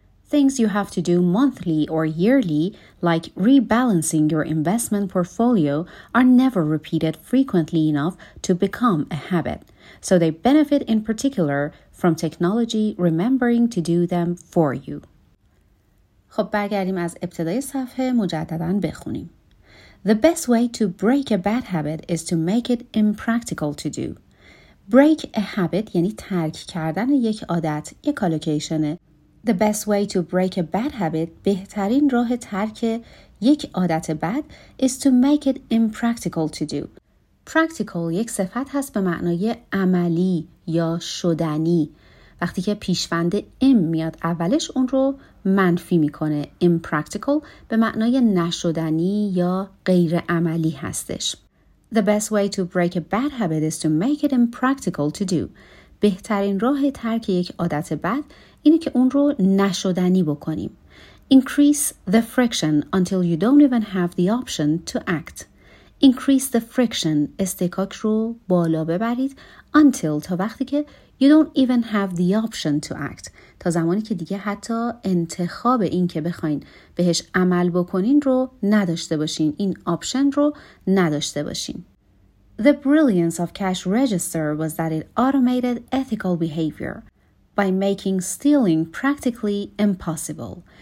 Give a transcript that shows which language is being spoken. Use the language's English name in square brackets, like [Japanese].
[English] Things you have to do monthly or yearly, like rebalancing your investment portfolio, are never repeated frequently enough to become a habit. So they benefit in particular from technology remembering to do them for you. [Persian] خب برگردیم از ابتدای صفحه مجدداً بخونیم. [English] The best way to break a bad habit is to make it impractical to do. Break a habit [Persian] یعنی ترک کردن یک عادت، یک آلوکیشنه. [English] The best way to break a bad habit, [Persian] بهترین راه ترک یک عادت بد, [English] is to make it impractical to do. [Persian] Practical یک صفت هست به معنای عملی یا شدنی. وقتی که پیشوند ام میاد اولش اون رو منفی میکنه. Impractical به معنای نشدنی یا غیر عملی هستش. [English] The best way to break a bad habit is to make it impractical to do. [Persian] بهترین راه ترک یک عادت بد اینه که اون رو نشدنی بکنیم. [English] Increase the friction until you don't even have the option to act. Increase the friction, [Persian] استکاک رو بالا ببرید [English] until [Persian] تا وقتی که [English] you don't even have the option to act. [Persian] تا زمانی که دیگه حتی انتخاب این که بخواین بهش عمل بکنین رو نداشته باشین. این option رو نداشته باشین. [English] The brilliance of cash register was that it automated ethical behavior by making stealing practically impossible.